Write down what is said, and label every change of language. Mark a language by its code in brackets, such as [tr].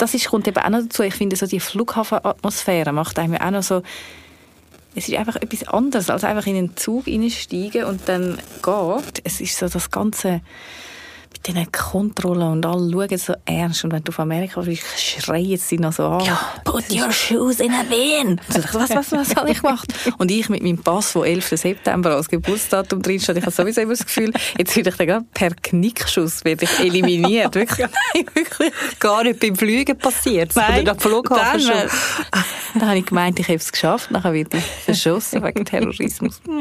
[de] Kommt eben auch noch dazu. Ich finde so die Flughafenatmosphäre macht einem auch noch so, es ist einfach etwas anderes, als einfach in einen Zug reinsteigen und dann geht. Es ist so das Ganze mit diesen Kontrollen und alle schauen so ernst. Und wenn du auf Amerika bist, schreien sie noch so an. [en] Ja, put your shoes in a bin. [de] Was habe ich gemacht? Und ich mit meinem Pass, der 11. September als Geburtsdatum drinsteht, ich habe sowieso immer das Gefühl, jetzt würde ich dann gerade per Knickschuss werde ich eliminiert. Wirklich? Gar nicht beim Fliegen passiert. Nein, am Flughafen schon. Dann habe ich gemeint, ich habe es geschafft. Dann werde ich verschossen wegen Terrorismus.